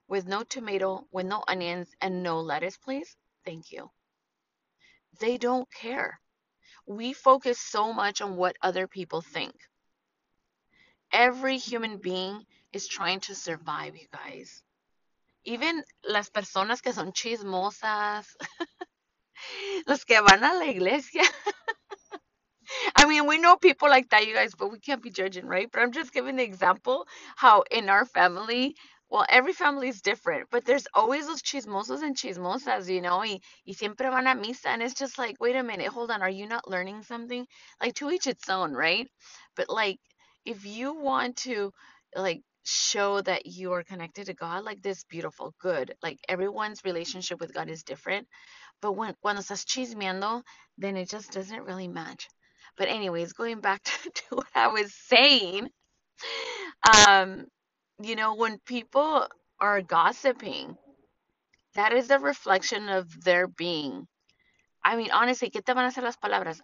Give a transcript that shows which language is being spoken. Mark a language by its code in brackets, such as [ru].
[en] with no tomato, with no onions, and no lettuce, please. Thank you. They don't care. We focus so much on what other people think. Every human being is trying to survive, you guys. Even [es] las personas que son chismosas, los que van a la iglesia. [en] I mean, we know people like that, you guys, but we can't be judging, right? But I'm just giving the example how in our family, well, every family is different, but there's always those chismosos and chismosas, you know, [es] y siempre van a misa. [en] And it's just like, wait a minute, hold on, are you not learning something? Like, to each its own, right? But like, if you want to, like, show that you are connected to God, like this beautiful, good, like everyone's relationship with God is different. But when [es] estás chismeando, [en] then it just doesn't really match. But anyways, going back to what I was saying, you know, when people are gossiping, that is a reflection of their being. I mean, honestly, [es] ¿qué te van a hacer las palabras?